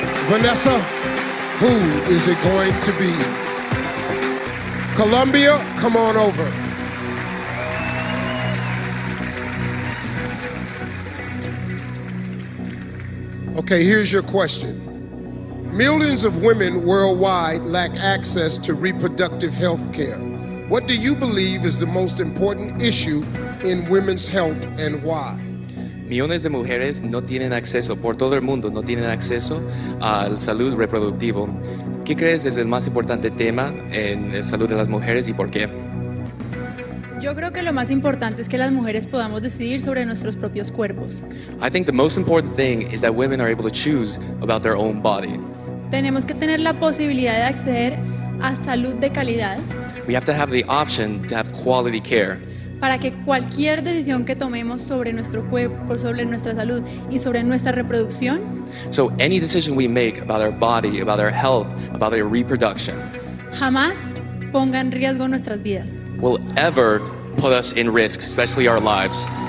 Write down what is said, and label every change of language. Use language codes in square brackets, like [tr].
[en] Vanessa, who is it going to be? Colombia, come on over. Okay, here's your question. Millions of women worldwide lack access to reproductive health care. What do you believe is the most important issue in women's health and why? [es] Millones de mujeres no tienen acceso, por todo el mundo, no tienen acceso al salud reproductivo. ¿Qué crees es el más importante tema en la salud de las mujeres y por qué? Yo creo que lo más importante es que las mujeres podamos decidir sobre nuestros propios cuerpos. [en] I think the most important thing is that women are able to choose about their own body. [es] Tenemos que tener la posibilidad de acceder a salud de calidad. [en] We have to have the option to have quality care. [es] Para que cualquier decisión que tomemos sobre nuestro cuerpo, sobre nuestra salud y sobre nuestra reproducción. [en] So any decision we make about our body, about our health, about our reproduction. [es] Jamás ponga en riesgo nuestras vidas. [en] Will ever put us in risk, especially our lives.